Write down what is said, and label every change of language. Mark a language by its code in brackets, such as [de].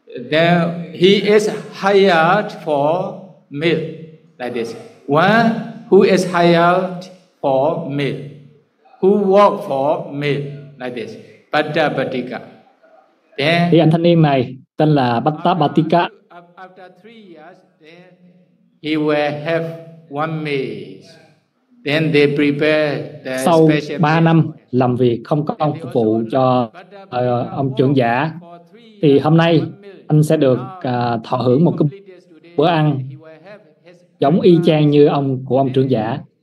[en] Then he is hired for meal like this. One who is hired for meal, who work for meal like this. Bhatta Bhatika. Then the [vi] anh thanh niên này tên là Bhatta Bhatika. [en] After 3 years, then he will have 1 meal. Then they prepare the [vi] sau [en] special. [vi] Sau 3 năm làm việc không có công phục vụ cho ông trưởng giả, thì hôm nay anh sẽ được thọ hưởng một cái bữa ăn giống y chang như ông trưởng giả.